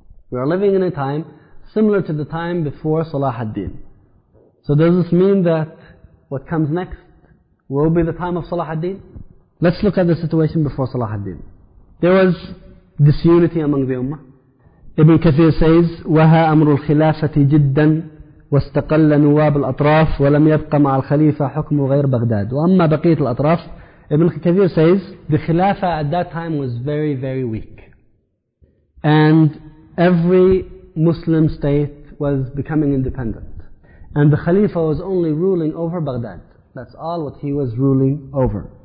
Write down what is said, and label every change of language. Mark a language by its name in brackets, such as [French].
[English] We are living in a time similar to the time before Salah ad-Din. So does this mean that what comes next will be the time of Salah ad-Din? Let's look at the situation before Salah ad-Din. There was disunity among the ummah. Ibn Kathir says, [Arabic] وَهَا أَمْرُ الْخِلَافَةِ جِدًّا وَاسْتَقَلَّ نُوَابُ الْأَطْرَافِ وَلَمْ يَبْقَ مَعَ الْخَلِيفَةِ حُكْمُ غَيْرِ بَغْدَادِ وَأَمَّا بَقِيَةِ الْأَطْرَافِ. [English] Ibn Kathir says, the Khilafah at that time was very, very weak. And every Muslim state was becoming independent. And the Khalifa was only ruling over Baghdad. That's all what he was ruling over.